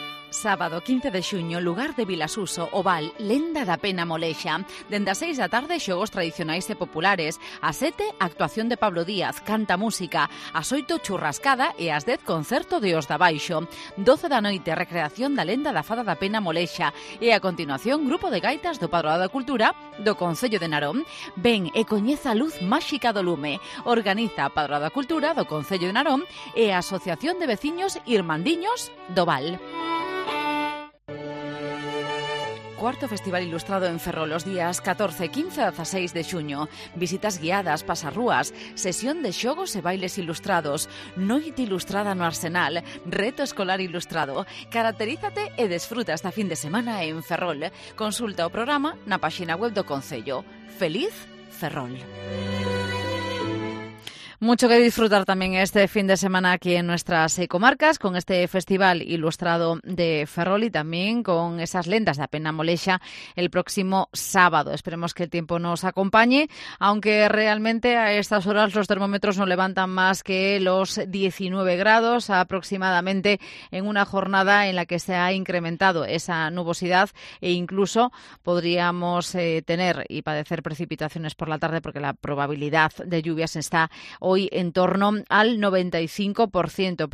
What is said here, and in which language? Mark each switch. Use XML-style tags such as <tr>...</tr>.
<gl>Sábado 15 de xuño, lugar de Vilasuso, Oval, Lenda da Pena Molexa. Dende as 6 da tarde, xogos tradicionais e populares. A 7, actuación de Pablo Díaz, canta música. A 8, churrascada e as 10, concerto de Os da Baixo. 12 da noite, recreación da Lenda da Fada da Pena Molexa. E a continuación, grupo de gaitas do Padroado da Cultura do Concello de Narón. Ven e coñeza a luz máxica do lume. Organiza a Padroado da Cultura do Concello de Narón e a Asociación de Veciños Irmandiños do Val. Cuarto Festival Ilustrado en Ferrol, los días 14, 15 a 16 de xuño. Visitas guiadas, pasarrúas, sesión de xogos e bailes ilustrados, noite ilustrada no Arsenal, reto escolar ilustrado. Caracterízate e desfruta esta fin de semana en Ferrol. Consulta o programa na páxina web do Concello. ¡Feliz Ferrol!</gl> <es>Mucho que disfrutar también este fin de semana aquí en nuestras comarcas con este Festival Ilustrado de Ferrol y también con esas lendas de Apena Molexa el próximo sábado. Esperemos que el tiempo nos acompañe, aunque realmente a estas horas los termómetros no levantan más que los 19 grados aproximadamente en una jornada en la que se ha incrementado esa nubosidad e incluso podríamos tener y padecer precipitaciones por la tarde porque la probabilidad de lluvias está hoy en torno al 95%.</es>